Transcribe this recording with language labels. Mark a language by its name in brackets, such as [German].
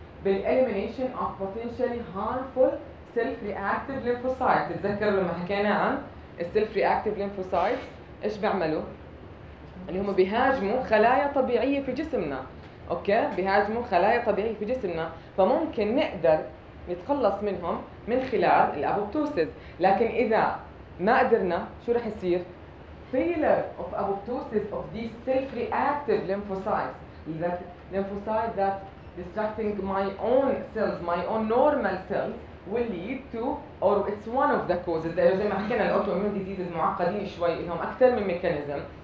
[English] بالإليمينيشن of potentially harmful self reactive lymphocyte. [Arabic] تتذكروا لما حكينا عن السيلف ريأكتيف لينفوسايت إيش بيعملوا؟ اللي هم بيهاجموا خلايا طبيعية في جسمنا، أوكي؟ بيهاجموا خلايا طبيعية في جسمنا، فممكن نقدر نتخلص منهم من خلال الأبوبتوسيس. لكن إذا ما قدرنا شو رح يصير؟ [English] failure of apoptosis of these self-reactive lymphocytes, that lymphocyte that destructing my own cells, my own normal cells, will lead to, or it's one of the causes. There is [Arabic] زي ما حكينا [English] autoimmune diseases [Arabic] معقدين شوي، إنهم أكثر من ميكانيزم.